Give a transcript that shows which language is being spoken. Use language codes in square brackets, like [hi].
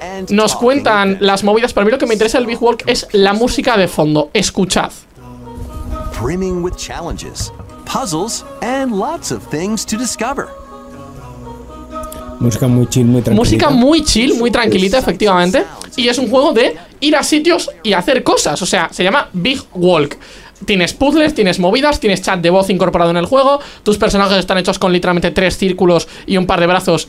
[es] Nos cuentan las movidas, pero a mí lo que me interesa del Big Walk es la música de fondo. Escuchad. [en] Brimming with challenges, puzzles, and lots of things to discover. [es] Música muy chill, muy tranquila. Música muy chill, muy tranquilita, efectivamente. Y es un juego de ir a sitios y hacer cosas. O sea, se llama Big Walk. Tienes puzzles, tienes movidas, tienes chat de voz incorporado en el juego. Tus personajes están hechos con literalmente tres círculos y un par de brazos.